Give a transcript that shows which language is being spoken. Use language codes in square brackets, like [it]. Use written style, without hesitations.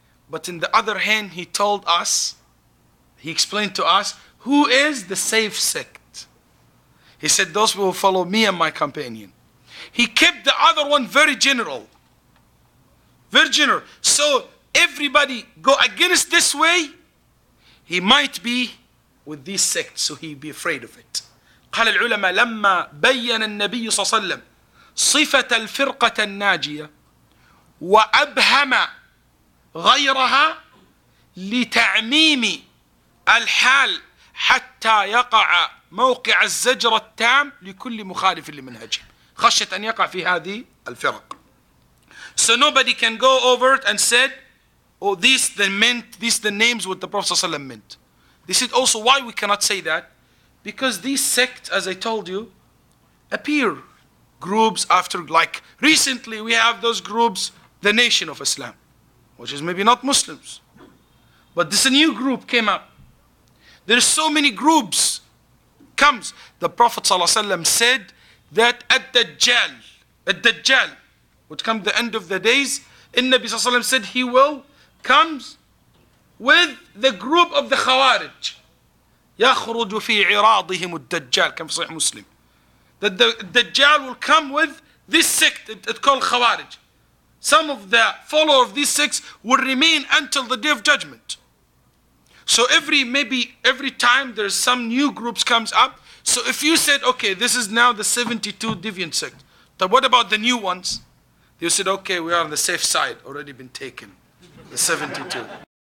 [en] But in the other hand, he told us, he explained to us, who is the safe sect. He said, those will follow me and my companion. He kept the other one very general. Very general. So everybody go against this way, he might be with these sects, so he'd be afraid of it. [ar] قال العلماء لما بين النبي صلى الله عليه وسلم صفة الفرقة الناجية وأبهم غيرها لتعميم الحال حتى يقع موقع الزجر التام لكل مخالف لمنهجه خشية أن يقع في هذه الفرق. [en] So nobody can go over it and said, oh, these the names what the Prophet [ar] صلى الله عليه وسلم [en] meant. They said also, why we cannot say that? Because these sects, as I told you, appear groups after, like recently we have those groups, the Nation of Islam, which is maybe not Muslims. But this new group came up. There are so many groups. Comes. The Prophet ﷺ said that Ad-Dajjal would come the end of the days. And Nabi ﷺ said he will come with the group of the Khawarij. [ar] يخرج في عراضهم الدجال كما في صحيح مسلم. [en] The Dajjal will come with this sect, it's called Khawarij. Some of the followers of these sects will remain until the Day of Judgment. So every time there's some new groups comes up. So if you said, okay, this is now the 72 deviant sect, but what about the new ones? You said, okay, we are on the safe side, already been taken. The 72.